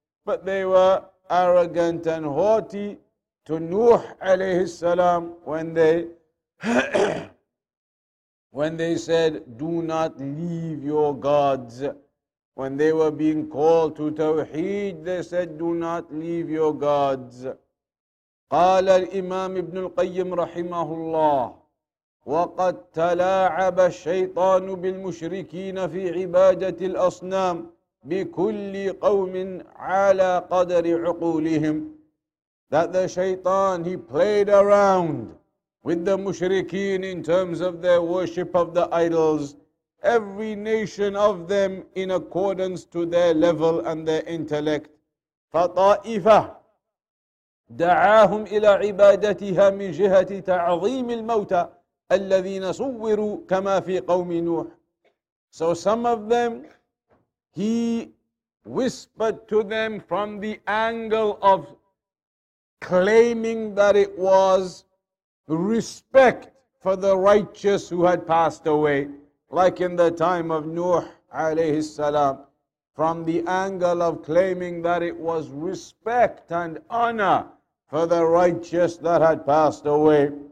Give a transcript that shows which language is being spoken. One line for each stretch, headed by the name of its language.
English: But they were arrogant and haughty to Nuh alayhi salam when they said, do not leave your gods. When they were being called to Tawheed, they said, do not leave your gods.
Arabic: قال الإمام ابن القيم رحمه الله وقد تلاعب الشيطان بالمشركين في عبادة الأصنام بكل قوم على قدر عقولهم.
English: That the shaitan, he played around with the mushrikeen in terms of their worship of the idols, every nation of them in accordance to their level and their intellect.
Arabic: فطائفة دعاهم إلى عبادتها من جهة تعظيم الموتى الذين صوروا كما في قوم نوح.
English: So some of them, he whispered to them from the angle of claiming that it was respect for the righteous who had passed away, like in the time of Nuh alayhi salam, from the angle of claiming that it was respect and honor for the righteous that had passed away.